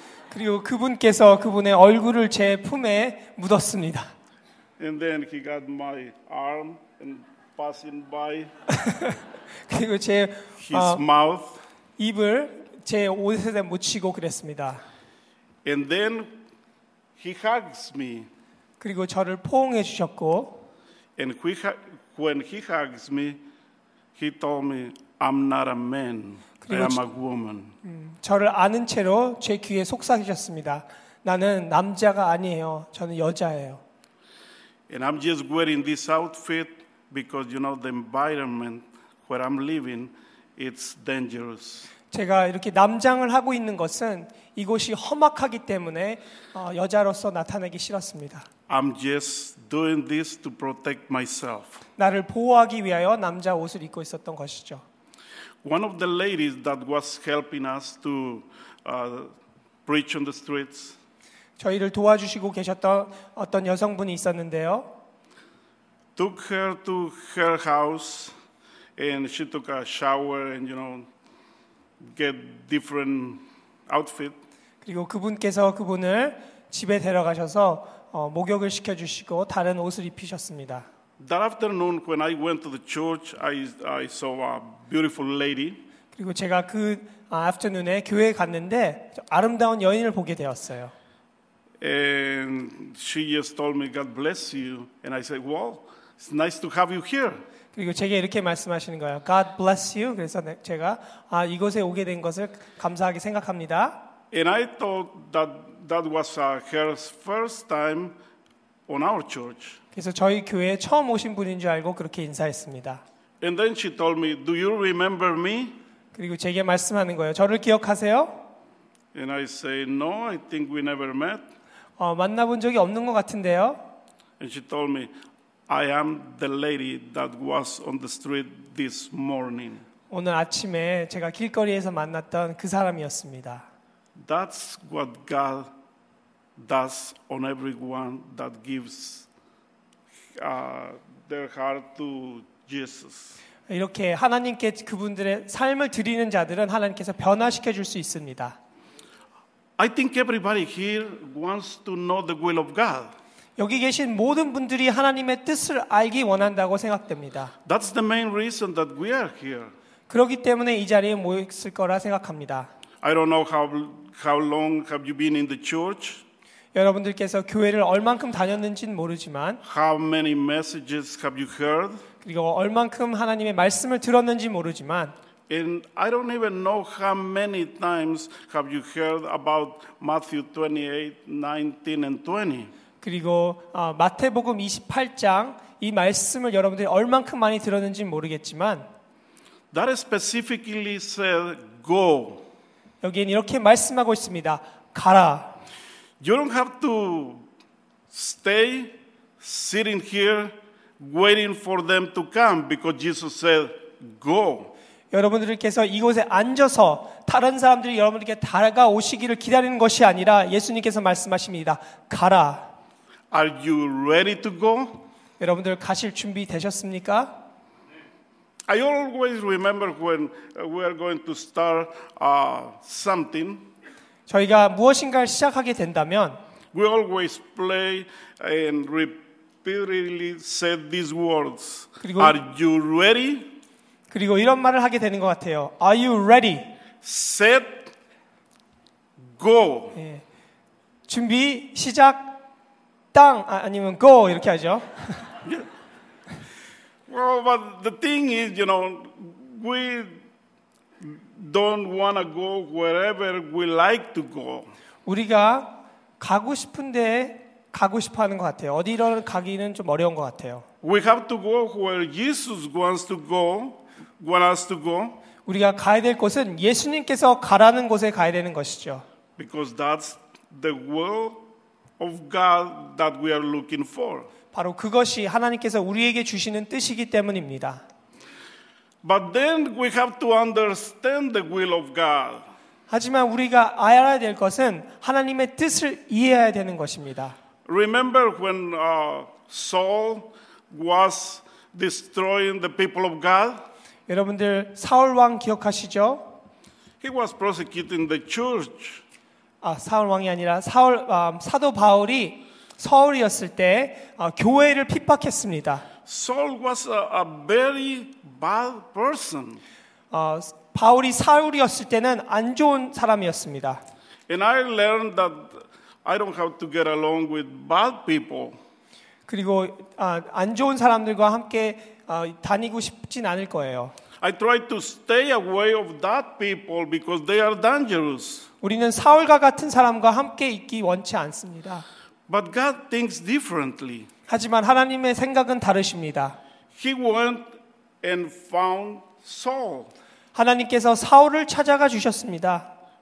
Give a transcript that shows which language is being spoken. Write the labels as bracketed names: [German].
[Korean] 그리고 그분께서 그분의 얼굴을 제 품에 묻었습니다. [English] And then he got my arm and passing by. [Korean] 그리고 제 [English] mouth. [Korean] 입을 제 옷에 묻히고 그랬습니다. [English] And then he hugs me. [Korean] 그리고 저를 포옹해 주셨고 [English] And when he hugs me, he told me I'm not a man. I am a woman. [Korean] 저를 아는 채로 제 귀에 속삭이셨습니다. 나는 남자가 아니에요. 저는 여자예요. [English] And I'm just wearing this outfit because you know the environment where I'm living it's dangerous. [Korean] 제가 이렇게 남장을 하고 있는 것은 이곳이 험악하기 때문에 여자로서 나타내기 싫었습니다. [English] I'm just doing this to protect myself. [Korean] 나를 보호하기 위하여 남자 옷을 입고 있었던 것이죠. [English] One of the ladies that was helping us to preach on the streets. [Korean] 저희를 도와주시고 계셨던 어떤 여성분이 있었는데요. [English] Took her to her house, and she took a shower and you know, get different outfit. [Korean] 그리고 그분께서 그분을 집에 데려가셔서 목욕을 시켜주시고 다른 옷을 입히셨습니다. [English] That afternoon when I went to the church, I saw a beautiful lady. [Korean] 그리고 제가 그 afternoon에 교회에 갔는데 아름다운 여인을 보게 되었어요. [English] And she just told me, God bless you. And I said, well, it's nice to have you here. [Korean] 그리고 제게 이렇게 말씀하시는 거예요. [English] God bless you. [Korean] 그래서 제가 아, 이곳에 오게 된 것을 감사하게 생각합니다. [English] And I thought that that was her first time on our church. [Korean] 그래서 저희 교회에 처음 오신 분인 줄 알고 그렇게 인사했습니다. [English] And then she told me, do you remember me? [Korean] 그리고 제게 말씀하는 거예요. 저를 기억하세요? [English] And I say, no, I think we never met. [Korean] 만나본 적이 없는 것 같은데요. [English] And she told me, I am the lady that was on the street this morning. [Korean] 오늘 아침에 제가 길거리에서 만났던 그 사람이었습니다. [English] That's what God does on everyone that gives their heart to Jesus. [Korean] 이렇게 하나님께 그분들의 삶을 드리는 자들은 하나님께서 변화시켜 줄 수 있습니다. [English] I think everybody here wants to know the will of God. [Korean] 여기 계신 모든 분들이 하나님의 뜻을 알기 원한다고 생각됩니다. [English] That's the main reason that we are here. [Korean] 그렇기 때문에 이 자리에 모였을 거라 생각합니다. [English] I don't know how long have you been in the church? [Korean] 여러분들께서 교회를 얼만큼 다녔는지는 모르지만 [English] How many messages have you heard? [Korean] 그리고 얼만큼 하나님의 말씀을 들었는지 모르지만 [English] And I don't even know how many times have you heard about Matthew 28:19-20. [Korean] 그리고 마태복음 28장 이 말씀을 여러분들이 얼만큼 많이 들었는지 모르겠지만 [English] That specifically said go. [Korean] 여기엔 이렇게 말씀하고 있습니다. 가라. [English] You don't have to stay sitting here waiting for them to come because Jesus said go. [Korean] 여러분들께서 이곳에 앉아서 다른 사람들이 여러분들께 다가오시기를 기다리는 것이 아니라 예수님께서 말씀하십니다. 가라. [English] Are you ready to go? [Korean] 여러분들 가실 준비 되셨습니까? [English] I always remember when we are going to start something. [Korean] 저희가 무엇인가를 시작하게 된다면 [English] We always play and repeatedly say these words. [Korean] 그리고, [English] Are you ready? [Korean] 그리고 이런 말을 하게 되는 것 같아요. [English] Are you ready? Set, go. [Korean] 예. 준비, 시작, 땅, 아니면 go 이렇게 하죠. [English] Well, but the thing is, you know, we don't want to go wherever we like to go. [Korean] 우리가 가고 싶은데 가고 싶어 하는 것 같아요. 어디를 가기는 좀 어려운 것 같아요. [English] We have to go where Jesus wants to go, wants us to go. [Korean] 우리가 가야 될 곳은 예수님께서 가라는 곳에 가야 되는 것이죠. [English] Because that's the will of God that we are looking for. [Korean] 바로 그것이 하나님께서 우리에게 주시는 뜻이기 때문입니다. [English] But then we have to understand the will of God. [Korean] 하지만 우리가 알아야 될 것은 하나님의 뜻을 이해해야 되는 것입니다. [English] Remember when Saul was destroying the people of God? [Korean] 여러분들 사울 왕 기억하시죠? [English] He was persecuting the church. [Korean] 아, 사울 왕이 아니라 사울 사도 바울이 사울이었을 때 교회를 핍박했습니다. [English] Saul was a very bad person. [Korean] 바울이 사울이었을 때는 안 좋은 사람이었습니다. [English] And I learned that I don't have to get along with bad people. [Korean] 그리고 안 좋은 사람들과 함께 다니고 싶진 않을 거예요. [English] I try to stay away of that people because they are dangerous. [Korean] 우리는 사울과 같은 사람과 함께 있기 원치 않습니다. [English] But God thinks differently. [Korean] 하지만 하나님의 생각은 다르십니다. [English] He went and found Saul. [Korean] 하나님께서 사울을 찾아가 주셨습니다.